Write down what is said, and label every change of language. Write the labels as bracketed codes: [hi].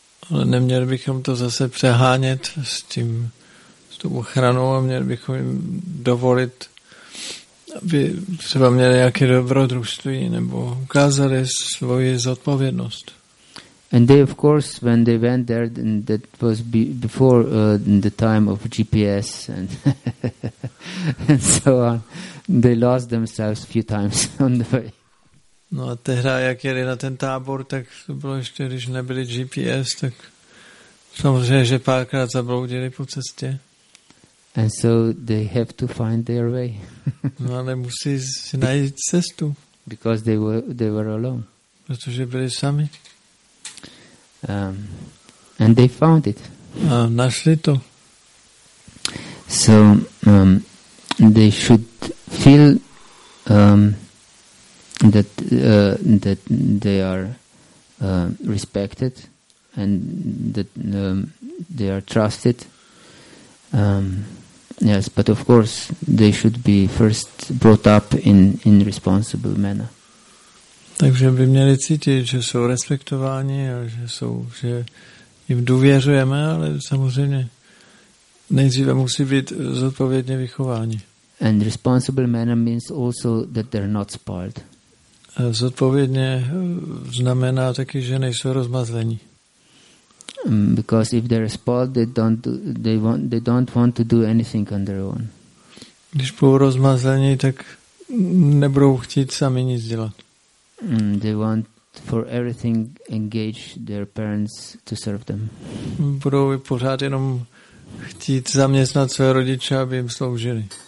[cs] Ale neměli bychom to zase přehánět s tím, s tou ochranou, a měli bychom jim dovolit, aby třeba měli nějaké dobrodružství nebo ukázali svoji zodpovědnost. [en] And they, of course, when they went there, then that was before the time of GPS and and so on, they lost themselves a few times on the way. [cs] No a tehda, jak jeli na ten tábor, tak to bylo ještě, když nebyli GPS, tak samozřejmě, že párkrát zabloudili po cestě. [en] And so they have to find their way. [cs] No ale musí si najít cestu. [en] Because they were alone. [cs] Protože byli sami. [en] And they found it. [cs] Našli to. [en] So they should feel that they are respected and that they are trusted. Yes, but of course they should be first brought up in responsible manner. [cs] Takže by měli cítit, že jsou respektováni a že jim důvěřujeme, ale samozřejmě nejdříve musí být zodpovědně vychováni. [en] And responsible manner means also that they're not spoiled. [cs] A zodpovědně znamená taky, že nejsou rozmazlení. [en] Because if they're spoiled, they don't want to do anything on their own. [cs] Když budou rozmazlení, tak nebudou chtít sami nic dělat. [en] They want for everything engage their parents to serve them. [cs] Budou pořád jenom chtít zaměstnat své rodiče, aby jim sloužili.